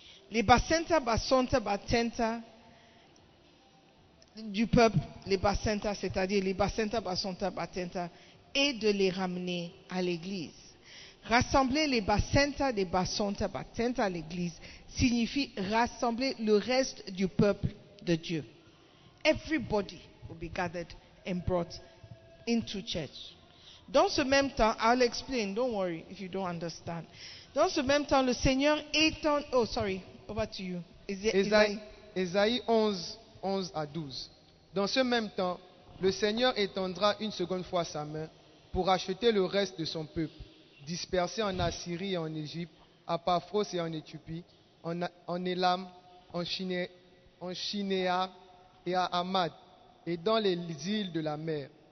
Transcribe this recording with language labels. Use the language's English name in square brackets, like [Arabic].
[French] Les bacenta, bacenta, batenta du peuple, les bacenta, c'est-à-dire les bacenta, bacenta, batenta, et de les ramener à l'Église. Rassembler les bacenta, les bacenta, batenta à l'Église signifie rassembler le reste du peuple de Dieu. [English] Everybody will be gathered and brought into church. [French] Dans ce même temps, [English] I'll explain, don't worry if you don't understand. [French] Dans ce même temps, le Seigneur étend... [English] Oh, sorry. Over to you. [French] Ésaïe 11, 11 à 12. Dans ce même temps, le Seigneur étendra une seconde fois sa main pour acheter le reste de son peuple, dispersé en Assyrie et en Égypte, à Paphos et en Éthiopie, en Élam, en Chinéa et à Hamad, et dans les îles de la mer.